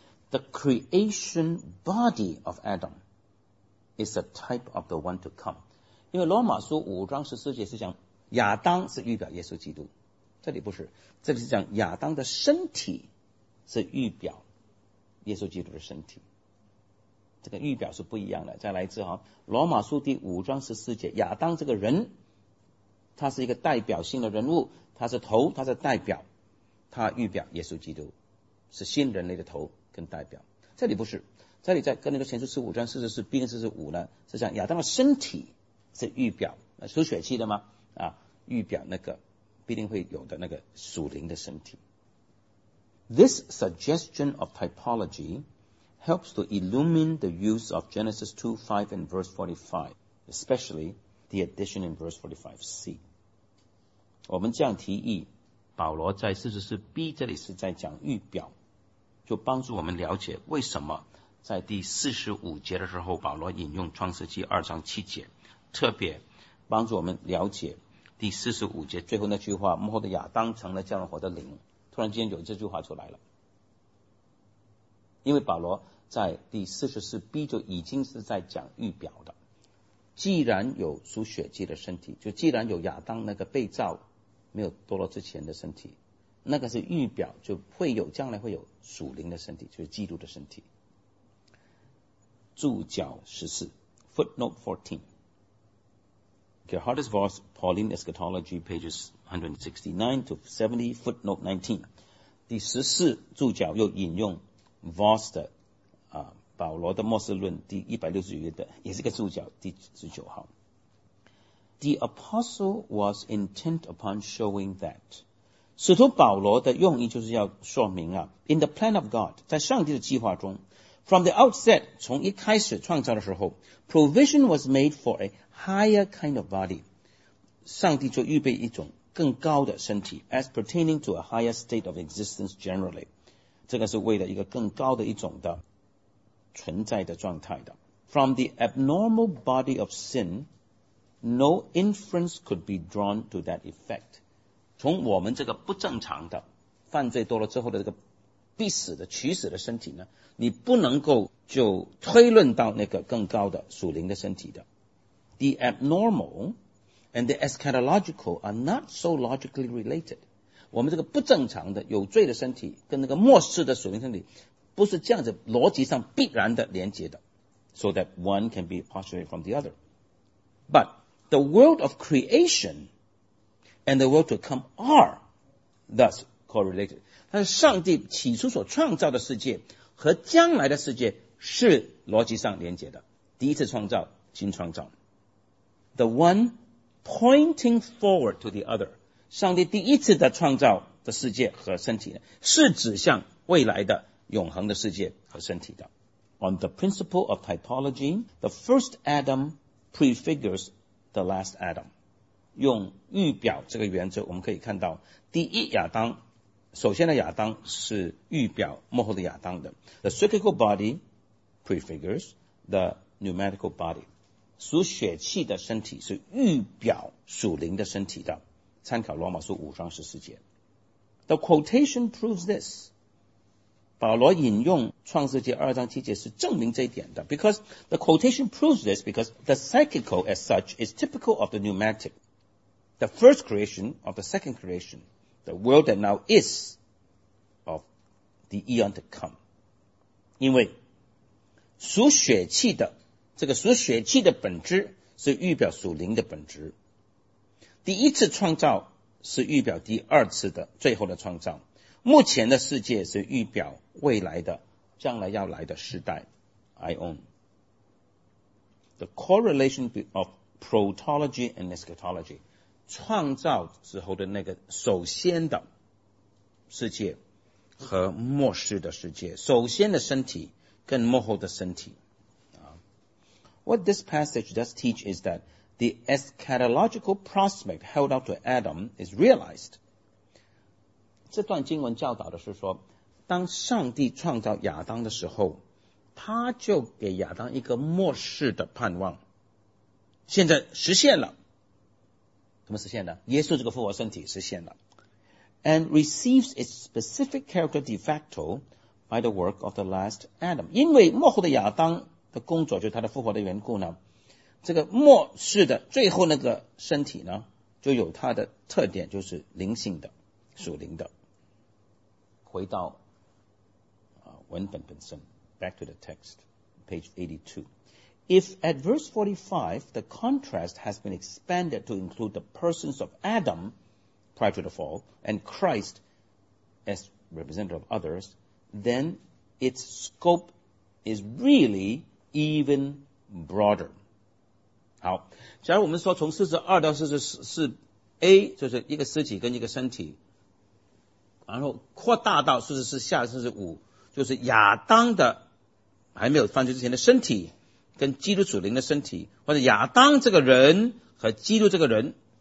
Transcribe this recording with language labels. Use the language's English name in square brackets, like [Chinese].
[English] The creation body of Adam is a type of the one to come. [Chinese] 因为罗马书五章十四节是讲亚当是预表耶稣基督，这里不是，这里是讲亚当的身体是预表耶稣基督的身体，这个预表是不一样的。再来一次哈，罗马书第五章十四节，亚当这个人他是一个代表性的人物，他是头，他是代表，他预表耶稣基督是新人类的头跟代表。这里不是，这里在跟那个前书十五章四十四 B 跟四十五呢，是讲亚当的身体是预表属血气的吗？啊，预表那个必定会有的那个属灵的身体。 [English] This suggestion of typology helps to illumine the use of Genesis 2:5 and verse 45, especially the addition in verse 45c. [Chinese] 我们这样提议，保罗在四十四 B 这里是在讲预表。就帮助我们了解为什么在第四十五节的时候保罗引用创世纪二章七节，特别帮助我们了解第四十五节最后那句话，幕后的亚当成了降活的灵，突然间有这句话出来了。因为保罗在第四十四 B 就已经是在讲预表的，既然有属血气的身体，就既然有亚当那个被造没有堕落之前的身体，那个是预表，就会有将来会有属灵的身体，就是基督的身体。注脚十四 [English] ，footnote 14 Gerhardus Voss, Pauline Eschatology, pages 169 to 70, footnote 19。 [Chinese] 第十四注脚又引用 Voss 的啊保罗的末世论第169页的，也是个注脚，第十九号。 [English] The apostle was intent upon showing that. [Chinese] 使徒保罗的用意就是要说明啊 ， [English] in the plan of God， [Chinese] 在上帝的计划中 ， [English] from the outset， [Chinese] 从一开始创造的时候 ， [English] provision was made for a higher kind of body， [Chinese] 上帝就预备一种更高的身体 ， [English] as pertaining to a higher state of existence generally， [Chinese] 这个是为了一个更高的一种的存在的状态的。 [English] From the abnormal body of sin， no inference could be drawn to that effect。 [Chinese] 从我们这个不正常的犯罪堕落之后的这个必死的取死的身体呢，你不能够就推论到那个更高的属灵的身体的。 [English] The abnormal and the eschatological are not so logically related. [Chinese] 我们这个不正常的有罪的身体跟那个末世的属灵身体不是这样子逻辑上必然的连接的， [English] so that one can be postulated from the other. But the world of creationAnd the world to come are thus correlated. [Chinese] 但是上帝起初所创造的世界和将来的世界是逻辑上连接的。第一次创造，新创造。 [English] The one pointing forward to the other. [Chinese] 上帝第一次的创造的世界和身体是指向未来的永恒的世界和身体的。 [English] On the principle of typology, the first Adam prefigures the last Adam. [Chinese] 用预表这个原则，我们可以看到第一亚当，首先的亚当是预表幕后的亚当的。 [English] The cyclical body prefigures the numerical body， [Chinese] 属血气的身体是预表属灵的身体的，参考罗马书五章十四节。 [English] The quotation proves this， [Chinese] 保罗引用创世纪二章七节是证明这一点的。 [English] Because the quotation proves this because the cyclical as such is typical of the pneumatic， the first creation of the second creation， the world that now is of the eon to come。 [Chinese] 因为属血气的，这个属血气的本质是预表属灵的本质，第一次创造是预表第二次的最后的创造，目前的世界是预表未来的将来要来的时代 Ion。 [English] The correlation of protology and eschatology， [Chinese] 创造之后的那个首先的世界和末世的世界，首先的身体跟幕后的身体。 [English] What this passage does teach is thatThe eschatological prospect held out to Adam is realized. [Chinese] 这段经文教导的是说，当上帝创造亚当的时候，他就给亚当一个末世的盼望。现在实现了，怎么实现的？耶稣这个复活身体实现了。 [English] And receives its specific character de facto by the work of the last Adam. [Chinese] 因为末后的亚当的工作就是他的复活的缘故呢，这个末世的最后那个身体呢，就有它的特点，就是灵性的、属灵的。回到文本本身 [English] ，back to the text, page 82. If at verse 45 the contrast has been expanded to include the persons of Adam prior to the fall and Christ as representative of others, then its scope is really even broader. [Chinese] 好，假如我们说从42到44 A 就是一个尸体跟一个身体，然后扩大到44下45，就是亚当的还没有犯罪之前的身体跟基督属灵的身体，或者亚当这个人和基督这个人。